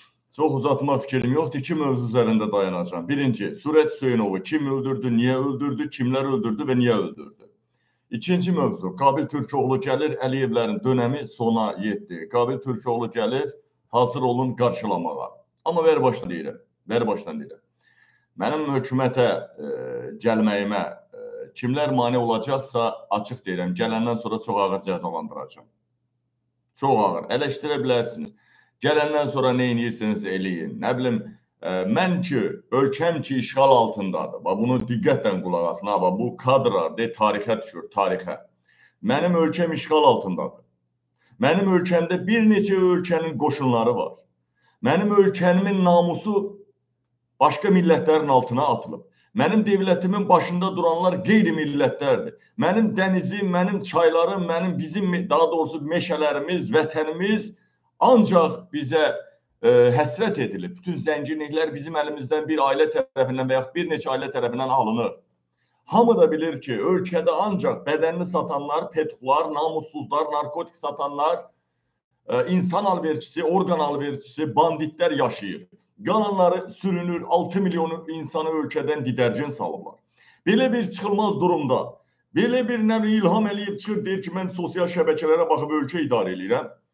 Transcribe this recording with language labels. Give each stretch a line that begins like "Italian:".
Turkish: Çok uzatma fikrim yoktu. İki mevzu üzerinde dayanacağım. Birinci, Suret Hüseyinov'u kim öldürdü, niye öldürdü, kimler öldürdü ve niye öldürdü? İkinci mevzu, Kabil Türkoğlu gelir, Aliyevlerin dönemi sona yetti. Kabil Türkoğlu gelir, hazır olun karşılamağa. Ama ver baştan deyirim, ver baştan deyirim.
Azerbaijani: Mənim hökumətə gəlməyimə kimlər mane olacaqsa açıq deyirəm. Gələndən sonra çox ağır cəzalandıracağım. Çox ağır. Eleştirə bilərsiniz. Gələndən sonra nə edirsiniz eləyin. Nə bilim, mən ki, ölkəm ki işğal altındadır. Bak, bunu diqqətlə qulaq asın. Bak,
Turkish: bu kadrar de
Azerbaijani: tarixə düşür, tarixə. Mənim ölkəm işğal altındadır. Mənim ölkəmdə bir neçə ölkənin qoşunları var. Mənim ölkəmin namusu
Turkish: başka milletlerin altına atılıb.
Azerbaijani: Mənim devletimin başında duranlar qeyri-millətlərdir. Mənim dənizim, mənim çaylarım, mənim bizim daha doğrusu meşelerimiz, vətənimiz ancaq bizə həsrət edilib. Bütün zənginliklər bizim
Turkish: elimizden bir aile tarafından
Azerbaijani: veya bir neçə aile tarafından alınır. Hamı da bilir ki, ölkədə ancaq bədənini satanlar, petxular, namussuzlar, narkotik satanlar, insan alverçisi, organ alverçisi, banditler yaşayır. Qalanları sürünür, 6 milyon insanı ölkədən didərgin salıblar. Belə bir çıxılmaz durumda, belə bir nəvi İlham Əliyev çıxır, deyir ki, mən sosial şəbəkələrə baxıb ölkə idarə edirəm.